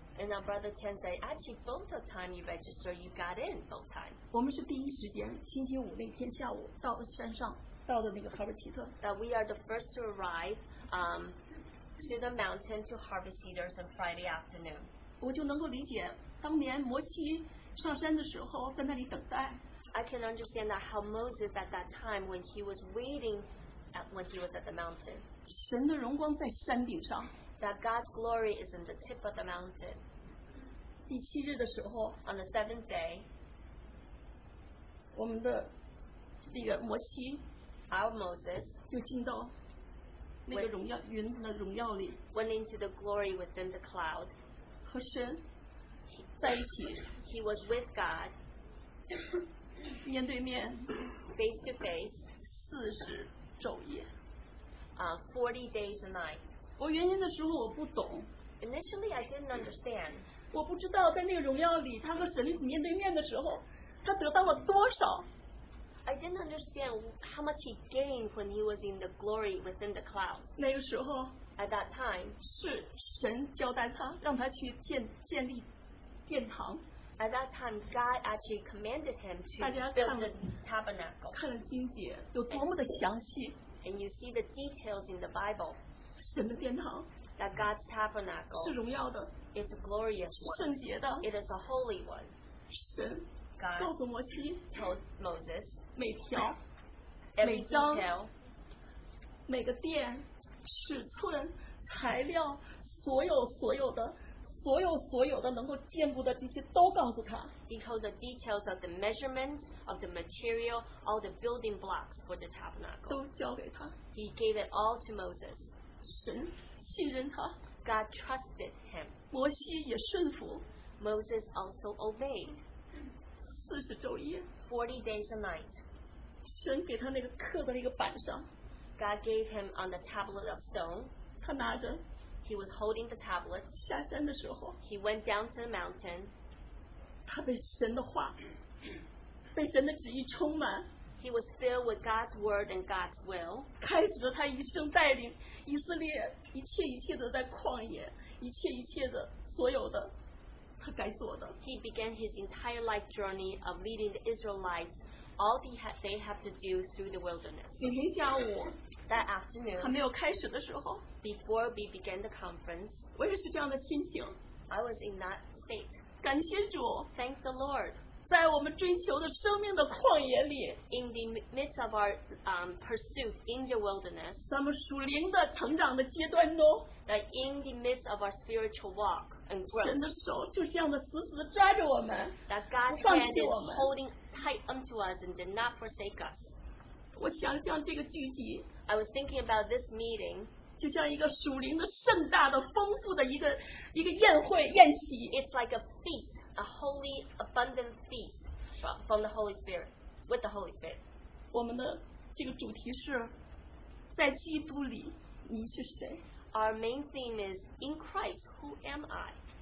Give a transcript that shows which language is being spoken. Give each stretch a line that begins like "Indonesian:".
English: and our brother Chen said actually both the time you registered you got in both times.
Chinese: 我们是第一时间星期五那天下午到了山上到了那个哈维奇特,
English: that we are the first to arrive to the mountain to harvest cedars on Friday afternoon.
Chinese: 我就能够理解当年摩西上山的时候在那里等待,
English: I can understand that how Moses at that time when he was waiting when he was at the mountain,
Chinese: 神的荣光在山顶上,
English: that God's glory is in the tip of the mountain.
Chinese: 第七日的时候,
English: on the seventh day,
Chinese: 我们的这个摩西,
English: our Moses
Chinese: 就进到那个荣耀,
English: went,
Chinese: 云的荣耀里,
English: went into the glory within the cloud.
Chinese: 和神在一起,
English: he was with God.
Chinese: 面对面,
English: face to face.
Chinese: 四十,
English: 40 days a night.
Chinese: 我原先的时候我不懂,
English: initially I didn't understand.
Chinese: 我不知道在那个荣耀里他和神子面对面的时候, 他得到了多少,
English: I didn't understand how much he gained when he was in the glory within the clouds.
Chinese: 那个时候,
English: at that time,
Chinese: 是神交代他, 让他去建立殿堂,
English: at that time God actually commanded him to
Chinese: 大家看,
English: build the tabernacle.
Chinese: 看了经节, 有多么的详细,
English: and you see the details in the Bible.
Chinese: 神的殿堂,
English: that God's tabernacle
Chinese: 是荣耀的,
English: it's a glorious one,
Chinese: 圣洁的,
English: it is a holy one.
Chinese: 神,
English: God
Chinese: 告诉摩西,
English: told Moses
Chinese: 每条,
English: every detail,
Chinese: 每个殿, 尺寸, 材料, 所有的, 所有的能够建筑的这些都告诉他,
English: he told the details of the measurement of the material, all the building blocks for the tabernacle,
Chinese: 都交给他,
English: he gave it all to Moses.
Chinese: 神信任他,
English: God trusted him.
Chinese: 摩西也顺服,
English: Moses also obeyed.
Chinese: 四十昼夜,
English: 40 days a night.
Chinese: 神给他那个刻的那个板上,
English: God gave him on the tablet of stone.
Chinese: 他拿着,
English: he was holding the tablet.
Chinese: 下山的时候,
English: he went down to the mountain.
Chinese: 他被神的话, 被神的旨意充满,
English: he was filled with God's word and God's will.
Chinese: 开始了他一生带领以色列一切一切的在旷野, 一切一切的所有的, 他该做的,
English: he began his entire life journey of leading the Israelites all they have to do through the wilderness.
Chinese: 明天下午,
English: that afternoon,
Chinese: 还没有开始的时候,
English: before we began the conference,
Chinese: 我也是这样的心情,
English: I was in that state.
Chinese: 感谢主,
English: thank the Lord.
Chinese: 在我们追求的生命的旷野里
English: ，in the midst of our pursuit in the wilderness，
Chinese: 咱们属灵的成长的阶段中
English: ，that in the midst of our spiritual walk and growth，
Chinese: 神的手就这样的死死的抓着我们
English: ，that God's hand is holding tight unto us and did not forsake us。
Chinese: 我想想这个聚集
English: ，I was thinking about this meeting。
Chinese: 就像一个属灵的盛大的丰富的一个宴会宴席
English: ，It's like a feast, a holy, abundant feast from the Holy Spirit, with the Holy Spirit.
Chinese: 我们的这个主题是，在基督里你是谁
English: ？Our main theme is in Christ, who am I?